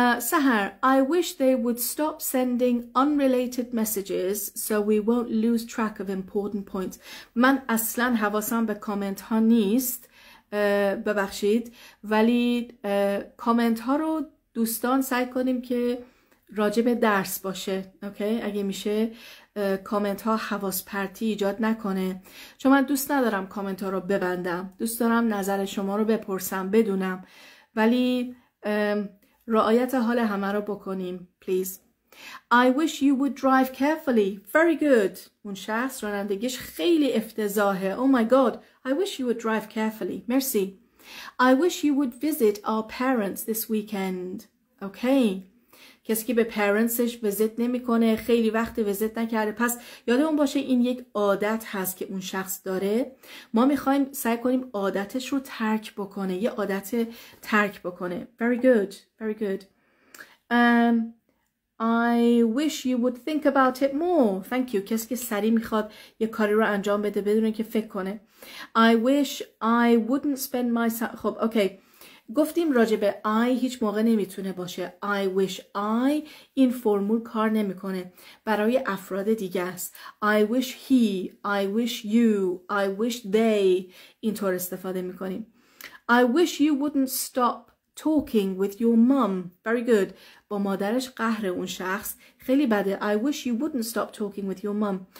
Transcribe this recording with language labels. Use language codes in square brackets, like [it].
[en] Sahar, I wish they would stop sending unrelated messages so we won't lose track of important points. [fa] من اصلا حواسم به کامنت ها نیست. ببخشید. ولی کامنت ها رو دوستان سعی کنیم که راجب درس باشه. [en] Okay? [fa] اگه میشه کامنت ها حواس پرتی ایجاد نکنه. چون من دوست ندارم کامنت ها رو ببندم. دوست دارم نظر شما رو بپرسم، بدونم. ولی رعایت حال همه رو بکنیم. [en] Please. I wish you would drive carefully. Very good. [fa] اون شخص رانندگیش خیلی افتضاحه. [en] Oh my God. I wish you would drive carefully. Merci. I wish you would visit our parents this weekend. Okay. [fa] کسی که به پرنسش وزیت نمی کنه، خیلی وقت وزیت نکرده. پس یادمون باشه این یک عادت هست که اون شخص داره. ما می خواهیم سعی کنیم عادتش رو ترک بکنه. یه عادت ترک بکنه. [en] Very good. Very good. I wish you would think about it more. Thank you. [fa] کسی که سریع می خواد یه کاری رو انجام بده بدونه که فکر کنه. [en] I wish I wouldn't spend my... خب، okay. [fa] گفتیم راجبه I هیچ موقع نمیتونه باشه. [en] I wish I، [fa] این فرمول کار نمیکنه، برای افراد دیگه است. [en] I wish he، I wish you، I wish they، [fa] اینطور استفاده میکنیم. [en] I wish you wouldn't stop talking with your mum. Very good. [fa] با مادرش قهر اون شخص، خیلی بده. [en] I wish you wouldn't stop talking with your mum.